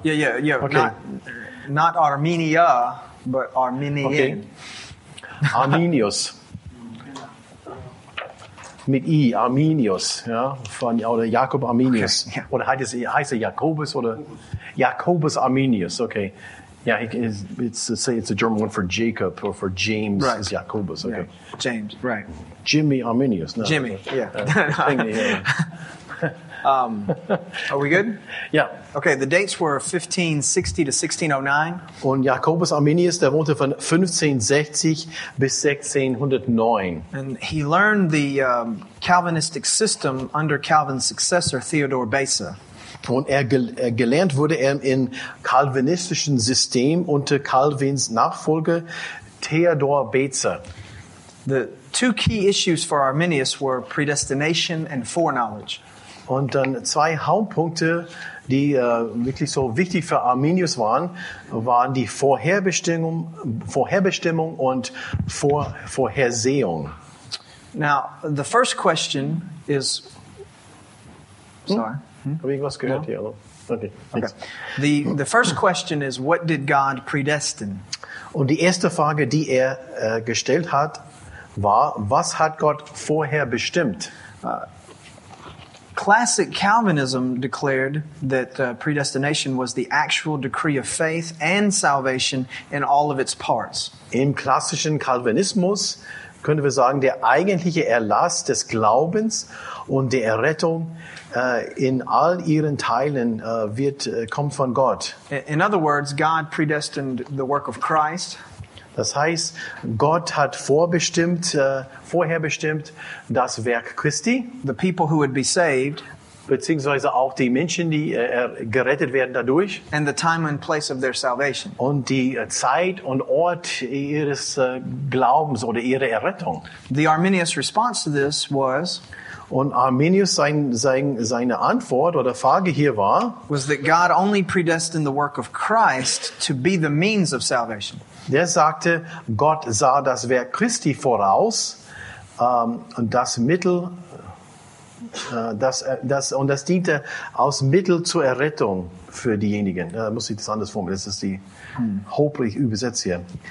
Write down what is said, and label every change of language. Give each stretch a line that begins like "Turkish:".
English: Yeah. Okay. Not Armenia, but Arminian. Okay. Arminius.
German: Mit I, Arminius, ja, von, oder Jakob Arminius.
English: Okay, yeah.
German: Oder heißt er Jakobus oder? Jakobus Arminius, okay.
English: Yeah, it's a German word for Jacob or for James, right. Is Jakobus, okay. Yeah. James, right. Jimmy Arminius, no. Jimmy, yeah. are we good? Yeah. Okay, the dates were 1560 to 1609.
German: Und Jakobus Arminius, der wohnte von 1560 bis 1609.
English: And he learned the Calvinistic system under Calvin's successor, Theodore Beza.
German: Und gelernt wurde er im calvinistischen System unter Calvins Nachfolger, Theodor Beza.
English: The two key issues for Arminius were predestination and foreknowledge.
German: Und dann zwei Hauptpunkte, die wirklich so wichtig für Arminius waren, waren die Vorherbestimmung und Vorhersehung.
English: Now, the first question is...
German: Habe ich was gehört hier?
English: Okay. The first question is, what did God predestine?
German: Und die erste Frage, die er gestellt hat, war, was hat Gott vorher bestimmt?
English: Classic Calvinism declared that predestination was the actual decree of faith and salvation in all of its parts.
German: Im klassischen Calvinismus können wir sagen, der eigentliche Erlass des Glaubens und der Errettung in all ihren Teilen kommt von Gott.
English: In other words, God predestined the work of Christ.
German: Das heißt, Gott hat vorherbestimmt das Werk Christi,
English: the people who would be saved,
German: beziehungsweise auch die Menschen, die gerettet werden dadurch,
English: and the time and place of their salvation,
German: und die Zeit und Ort ihres Glaubens oder ihrer Errettung.
English: The Arminius response to this was,
German: und Arminius seine Antwort oder Frage hier war,
English: was that God only predestined the work of Christ to be the means of salvation.
German: Der sagte, Gott sah das Werk Christi voraus, und das diente als Mittel zur Errettung für diejenigen. Da muss ich das anders formulieren, das ist die hoffentlich übersetzt hier.